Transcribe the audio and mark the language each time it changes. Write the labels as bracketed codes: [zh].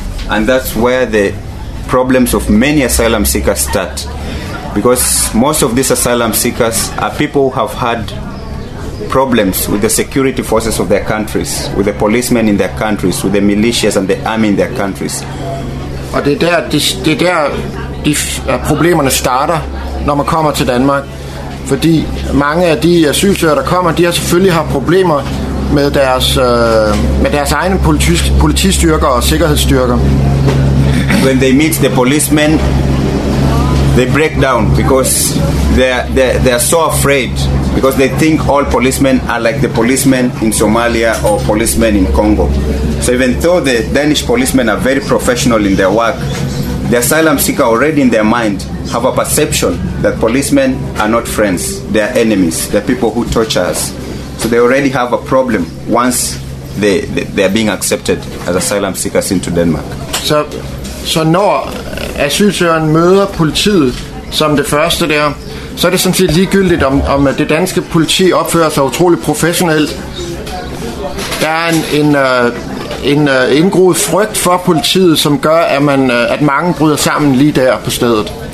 [en] And that's where the problems of many asylum seekers start. Because most of these asylum seekers are people who have had problems with the security forces of their countries, with the policemen in their countries, with the militias and the army in their countries. [da] Og det er der problemerne starter, når man kommer til Danmark, fordi mange af de asylsøgere, der kommer, de har selvfølgelig har problemer med deres egne politistyrker og sikkerhedsstyrker. [en] When they meet the policemen, they break down because they are so afraid. Because they think all policemen are like the policemen in Somalia or policemen in Congo. So even though the Danish policemen are very professional in their work, the asylum seeker already in their mind have a perception that policemen are not friends, they are enemies, they are people who torture us. So they already have a problem once they are being accepted as asylum seekers into Denmark. [da] So når asylsøgeren møder politiet som det første der, så er det sådan set ligegyldigt, om det danske politi opfører sig utroligt professionelt. Der er en indgroet frygt for politiet, som gør, at mange bryder sammen lige der på stedet.